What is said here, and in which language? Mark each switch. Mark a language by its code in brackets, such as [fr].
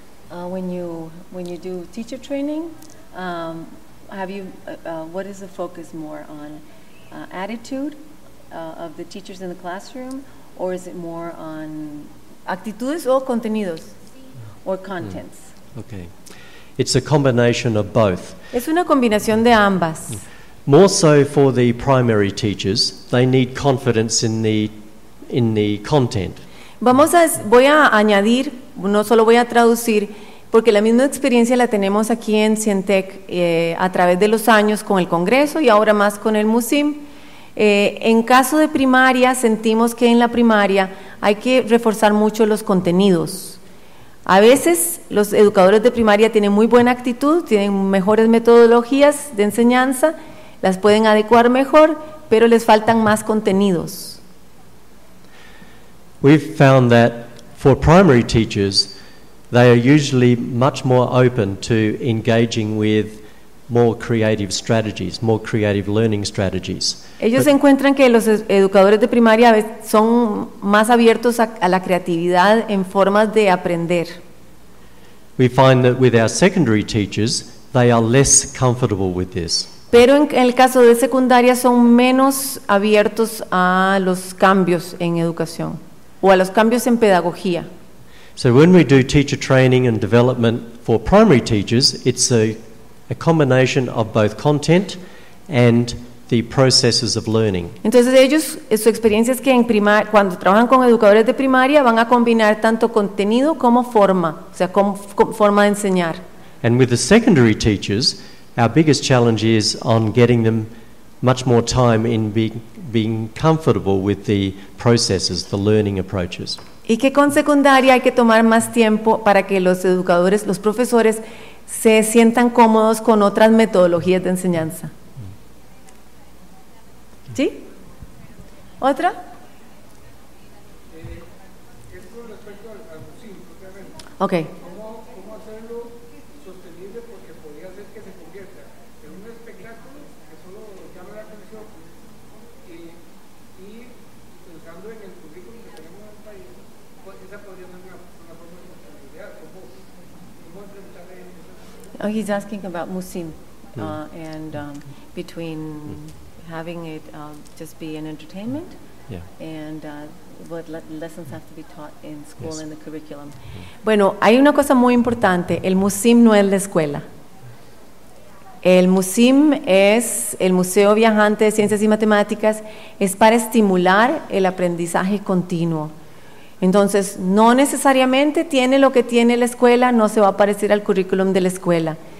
[en] When you do teacher training, what is the focus more on attitude of the teachers in the classroom, or is it more on [es] actitudes o contenidos [en] or contents? Okay, it's a combination of both. [es] Es una combinación de ambas. [en] More so for the primary teachers, they need confidence in the content. [es] Voy a añadir, no solo voy a traducir. Porque la misma experiencia la tenemos aquí en Cientec a través de los años con el Congreso y ahora más con el MUSIM. En caso de primaria, sentimos que en la primaria hay que reforzar mucho los contenidos. A veces los educadores de primaria tienen muy buena actitud, tienen mejores metodologías de enseñanza, las pueden adecuar mejor, pero les faltan más contenidos. [en] We've found that for primary teachers, they are usually much more open to engaging with more creative strategies, more creative learning strategies. [es] Ellos encuentran que los educadores de primaria son más abiertos a la creatividad en formas de aprender. [en] We find that with our secondary teachers, they are less comfortable with this. [es] Pero en el caso de secundaria son menos abiertos a los cambios en educación o a los cambios en pedagogía. [en] So when we do teacher training and development for primary teachers, it's a combination of both content and the processes of learning. [es] Entonces ellos, su experiencia es que en primaria, cuando trabajan con educadores de primaria, van a combinar tanto contenido como forma, o sea, como forma de enseñar. [en] And with the secondary teachers, our biggest challenge is on getting them much more time in being comfortable with the processes, the learning approaches. [es] Y que con secundaria hay que tomar más tiempo para que los educadores, los profesores, se sientan cómodos con otras metodologías de enseñanza. ¿Sí? ¿Otra? Es con respecto al sí, [en] okay. [es] ¿Cómo hacerlo sostenible? Porque podría ser que se convierta en un espectáculo que solo llama la atención y pensando en el currículum que tenemos en el país, pues esa podría ser una forma de sostenibilidad. ¿Cómo enfrentar eso? [en] Oh, he's asking about Musim and between having it just be an entertainment, and what lessons have to be taught in school and the curriculum. Mm-hmm. [es] Bueno, hay una cosa muy importante. El Musim no es la escuela. El Musim es el Museo Viajante de Ciencias y Matemáticas. Es para estimular el aprendizaje continuo. Entonces, no necesariamente tiene lo que tiene la escuela, no se va a parecer al curriculum de la escuela.